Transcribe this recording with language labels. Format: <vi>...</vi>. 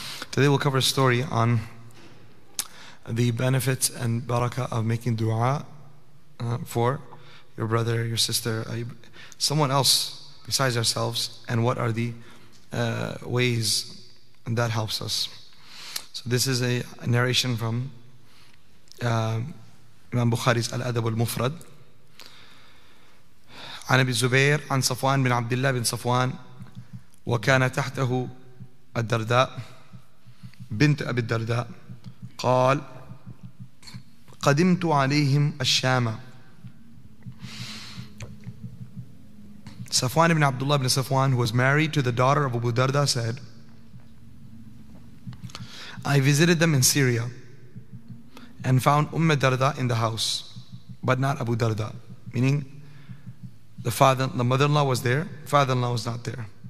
<en>Today we'll cover a story on the benefits and barakah of making dua for your brother, your sister, someone else besides ourselves, and what are the ways that helps us. So this is a narration from Imam Bukhari's Al-Adab Al-Mufrad.</en> <ar>عن أبي الزبير عن صفوان بن عبد الله بن صفوان وكان تحته الدرداء بنت أبي الدرداء قال قدمت عليهم الشام.</ar> <en>صفوان بن عبد الله بن صفوان, who was married to the daughter of Abu Darda, said, I visited them in Syria and found Umm Darda in the house, but not Abu Darda, meaning the mother-in-law was there, father-in-law was not there.</en>